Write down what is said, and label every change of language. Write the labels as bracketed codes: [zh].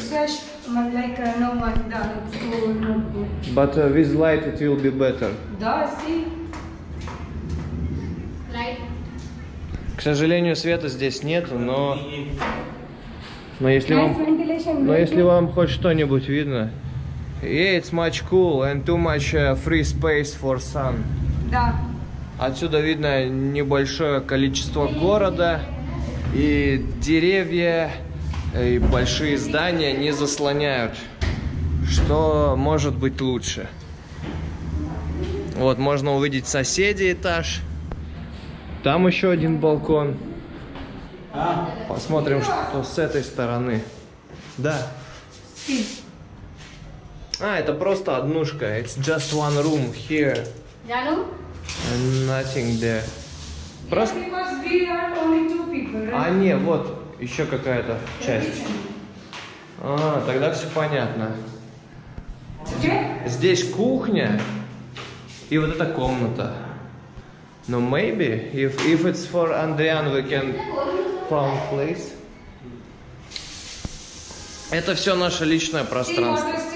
[en] It's fresh, like no one done. It's cool, not good. But with light it will be better. [ru] Да, [en] see? Light. [ru] К сожалению, света здесь нету, но... Но если вам... Но если вам хоть что-нибудь видно... [en] Yeah, it's much cool and too much free space for sun. [ru] Да. Отсюда видно небольшое количество города и деревья, и большие здания не заслоняют. Что может быть лучше? Вот, можно увидеть соседний этаж. Там еще один балкон. Посмотрим, что с этой стороны. Да. А, это просто однушка. [en] It's just one room here. And nothing there. [ru] Просто... [en] Yeah, because we are only two people, right? [ru] А, не, вот еще какая-то часть. А, тогда все понятно. [en] Okay. [ru] Здесь кухня и вот эта комната. Но [en] maybe if it's for Andrian, we can found place. [ru] Это все наше личное пространство.